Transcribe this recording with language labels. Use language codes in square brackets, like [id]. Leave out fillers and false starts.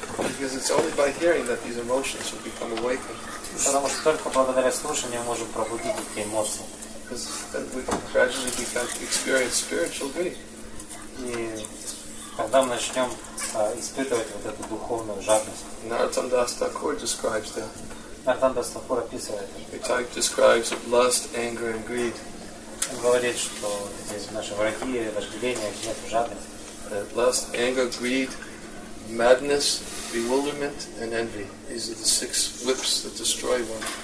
[en] Because it's only by hearing that these emotions will become awakened. [ru] Потому что только благодаря слушанию можем пробудить эти эмоции. [en] Because then we can gradually begin to experience spiritual grief. [ru] И когда мы начнем испытывать вот эту духовную жадность. [en] Nartam Das Thakur describes that. [ru] Nartam Das Thakur описывает это. [en] Which type describes lust, anger and greed. [ru] Он говорит, что здесь наши враги, вожделение, гнев, жадность. [en] Lust, anger, greed, madness, bewilderment and envy. These are the six whips that destroy one.